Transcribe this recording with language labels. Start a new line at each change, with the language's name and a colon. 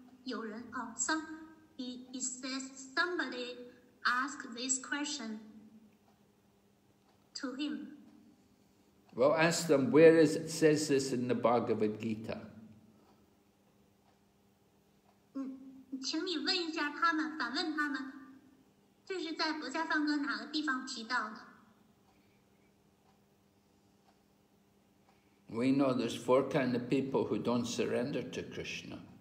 Chinese: 有人哦、
English: oh, ，he says somebody asked this question to him. Well, ask them where is it says this in the Bhagavad Gita.
Chinese: 嗯，请你问一下他们，反问他们，这是在《薄伽梵歌》哪个地方提到的？
English: We know there's four kind of people who don't surrender to Krishna.